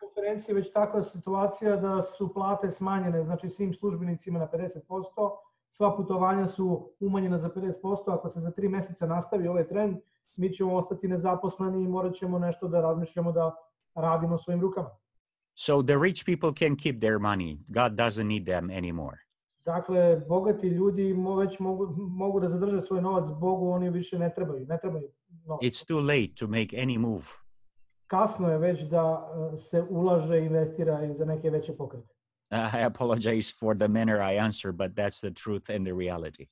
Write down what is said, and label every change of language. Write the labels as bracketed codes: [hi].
[sr] Konferencija već takva situacija da su plate smanjene, znači svim službenicima na 50%, sva putovanja su umanjena za 50%. Ako se za 3 mjeseca nastavi ovaj trend, mi ćemo ostati nezaposleni i morat ćemo nešto da razmišljamo da radimo svojim rukama. [en] So the rich people can keep their money. God doesn't need them anymore. [sr] Dakle, bogati ljudi već mogu da zadrže svoj novac, Bogu oni više ne trebaju. Ne trebaju novac. [en] It's too late to make any move. [sr] Kasno je već da se ulaže, investira i za neke veće pokrete. [en] I apologize for the manner I answer, but that's the truth and the reality.